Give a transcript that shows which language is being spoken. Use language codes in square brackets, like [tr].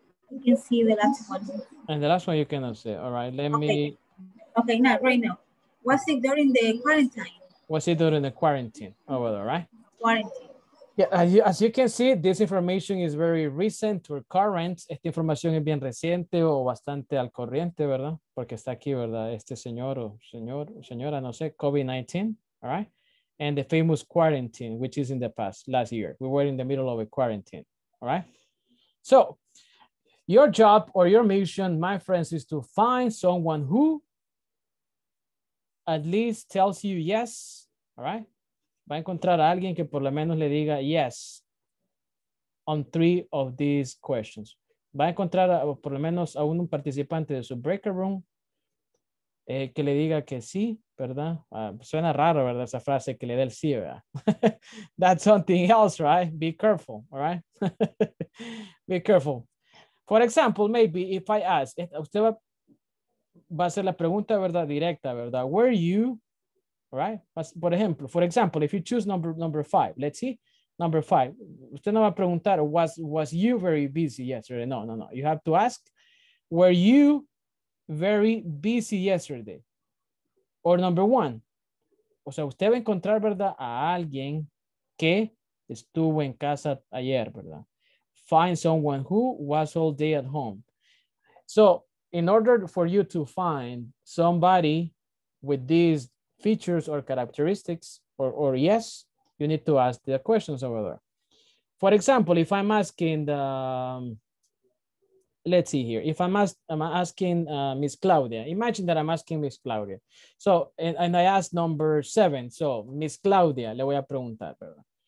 [en] You can see the last one. And the last one you cannot see. All right, let me. Okay, not right now. Was it during the quarantine? Was it during the quarantine? Oh, well, all right. Quarantine. Yeah, as you can see, this information is very recent or current. [es] Esta información es bien reciente o bastante al corriente, ¿verdad? Porque está aquí, ¿verdad? Este señor o señor o señora, no sé, COVID-19, [en] all right? And the famous quarantine, which is in the past, last year. We were in the middle of a quarantine, all right? So, your job or your mission, my friends, is to find someone who at least tells you yes, all right? [es] Va a encontrar a alguien que por lo menos le diga [en] yes on 3 of these questions. [es] Va a encontrar a, por lo menos a un participante de su breaker room que le diga que sí, ¿verdad? Suena raro, ¿verdad? Esa frase que le dé el sí, ¿verdad? [en] That's something else, right? Be careful, all right? Be careful. For example, maybe if I ask, [es] usted va a hacer la pregunta, ¿verdad? Directa, ¿verdad? [en] Where you... Right? For example, if you choose number five, let's see, number five, [es] usted no va a preguntar, [en] was you very busy yesterday? No. You have to ask, were you very busy yesterday? Or number one, [es] o sea, usted va a encontrar, ¿verdad? A alguien que estuvo en casa ayer, ¿verdad? [en] Find someone who was all day at home. So in order for you to find somebody with these features or characteristics or yes, you need to ask the questions over there. For example, if I'm asking the let's see here, if I'm asking Miss Claudia, imagine that I'm asking Miss Claudia, so and I ask number seven, so Miss Claudia, [es] le voy a preguntar, ¿verdad?